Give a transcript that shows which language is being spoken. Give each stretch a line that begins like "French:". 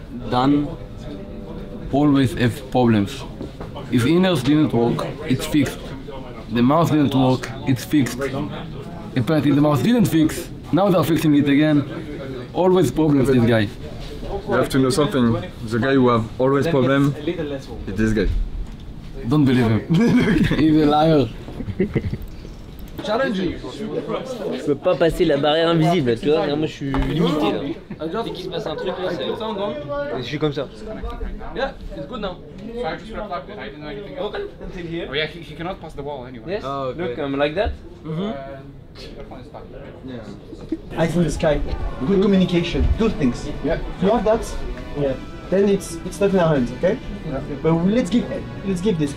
English: Dan always have problems. His inners didn't work, it's fixed. The mouse didn't work, it's fixed. Apparently the mouse didn't fix, now they're fixing it again. Always problems, this guy. You have to know something. The guy who have always problem is this guy. Don't believe him. He's a liar. challenge.
French: Je peux pas passer la barrière invisible, tu vois, moi je suis limité là. Dès qu'il se passe un truc, là, c'est... Je suis comme ça.
English: Yeah, it's good now. Oh yeah, he cannot pass the wall anyway. Yes, look, I'm like that. Yeah. Eyes in the sky. Good communication. Good things. Yeah. You have that? Yeah. Then it's not in our hands, okay? Yeah. But let's give this.